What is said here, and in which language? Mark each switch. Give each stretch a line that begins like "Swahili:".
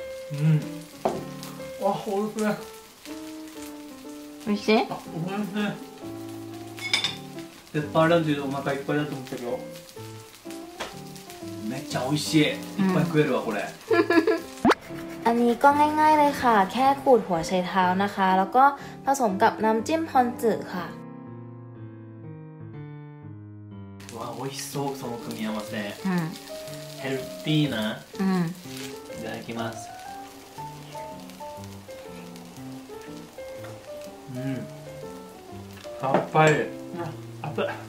Japanese: うん、あ、ほんとだ。おいしい？おいしい。ペッパーランチでお腹いっぱいだと思ったけど、めっちゃおいしい。いっぱい食えるわ、これ。
Thai: อันนี้ก็ง่ายๆเลยค่ะแค่ขูดหัวไชเท้านะคะแล้วก็ผสมกับน้ำจิ้มฮอนจื่อค่ะ。
Japanese: わ、おいしそう、その組み合わせ。うん。ヘルティーな。うん。いただきます。うん、さっぱり。あ、熱